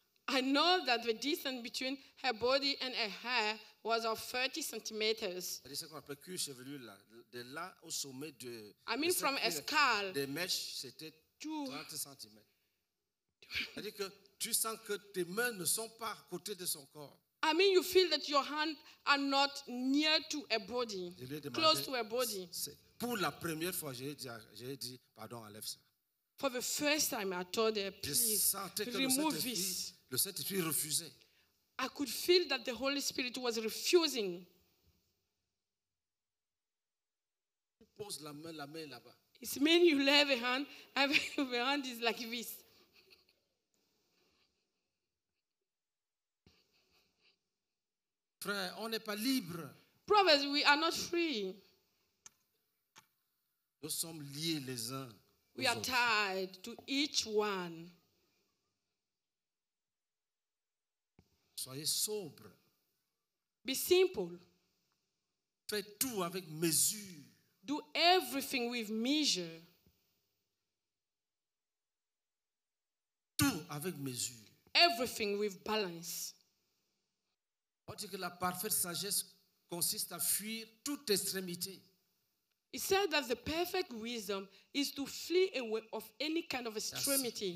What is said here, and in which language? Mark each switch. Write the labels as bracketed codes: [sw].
[en] I know that the distance between her body and her hair was of 30 cm. [fr] C'est-à-dire qu'on appelle cuir chevelu là, de là au sommet de. [en] I mean, from a skull. [fr] Des mèches, c'était 30 cm. C'est-à-dire que tu sens que tes mains ne sont pas à côté de son corps. [en] I mean, you feel that your hands are not near to a body, close to a body. [fr] Pour la première fois, j'ai dit, pardon, enlève ça. [en] For the first time, I told her, please, remove this. [fr] Le Saint-Esprit refusait. [en] I could feel that the Holy Spirit was refusing. [fr] Tu poses la main là-bas. [en] It means you lay a hand, and the hand is like this. [fr] Frère, on n'est pas libre. [en] Brothers, we are not free. [fr] Nous sommes liés les uns. [en] We are tied to each one. [fr] Soyez sobre. [en] Be simple. [fr] Faites tout avec mesure. [en] Do everything with measure. [fr] Tout avec mesure. [en] Everything with balance. [fr] On dit que la parfaite sagesse consiste à fuir toute extrémité. [en] It says that the perfect wisdom is to flee away of any kind of extremity.